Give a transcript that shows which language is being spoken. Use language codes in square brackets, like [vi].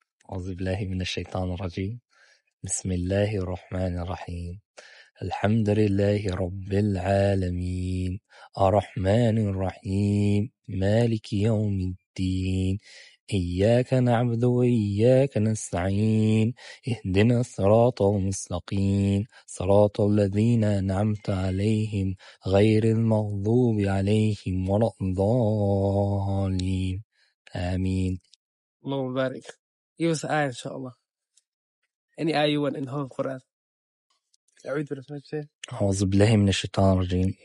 [ar] أعوذ بالله من الشيطان الرجيم بسم الله الرحمن الرحيم الحمد لله رب العالمين الرحمن الرحيم مالك يوم الدين إياك نعبد وإياك نستعين اهدنا الصراط المستقيم صراط الذين أنعمت عليهم غير المغضوب عليهم ولا الضالين آمين اللهم بارك [en] Give us an ayah, inshaAllah. Any ayah you want in the whole Quran. [ar] أعوذ بالله من الشيطان الرجيم. أعوذ بالله من الشيطان الرجيم.